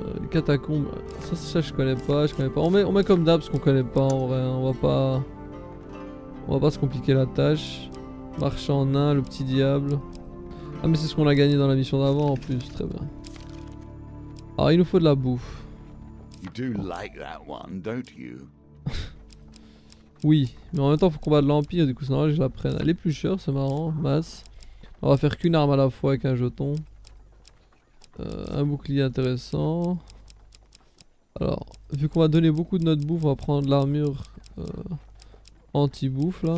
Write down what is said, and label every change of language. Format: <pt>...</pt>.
<fr>Catacombe, ça je connais pas. On met comme d'hab parce qu'on connaît pas en vrai. On va pas se compliquer la tâche. Marchand nain, le petit diable. Ah mais c'est ce qu'on a gagné dans la mission d'avant en plus, très bien. Alors il nous faut de la bouffe.</fr> <en>You do like that one, don't you?</en> <fr>Oui, mais en même temps faut combattre l'Empire, du coup c'est normal que je la prenne. Elle est plus chère, c'est marrant, masse. On va faire qu'une arme à la fois avec un jeton. Un bouclier intéressant. Alors, vu qu'on va donner beaucoup de notre bouffe, on va prendre l'armure anti-bouffe là.</fr>